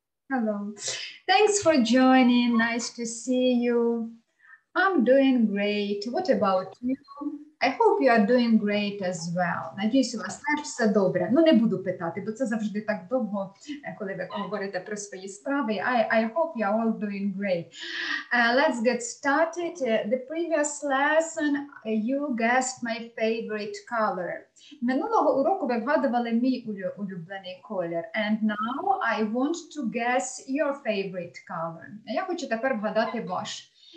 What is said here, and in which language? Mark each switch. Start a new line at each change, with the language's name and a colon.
English: Hello, thanks for joining, nice to see you. I'm doing great. What about you? I hope you are doing great as well.
Ukrainian: Надіюсь, у вас теж все добре. Ну, не буду питати, бо це завжди так довго, коли ви говорите про свої справи.
English: I hope you are all doing great. Let's get started. The previous lesson, you guessed my favorite color.
Ukrainian: Минулого уроку ви вгадували мій улюблений колір.
English: And now I want to guess your favorite color.
Ukrainian: Я хочу тепер вгадати ваш.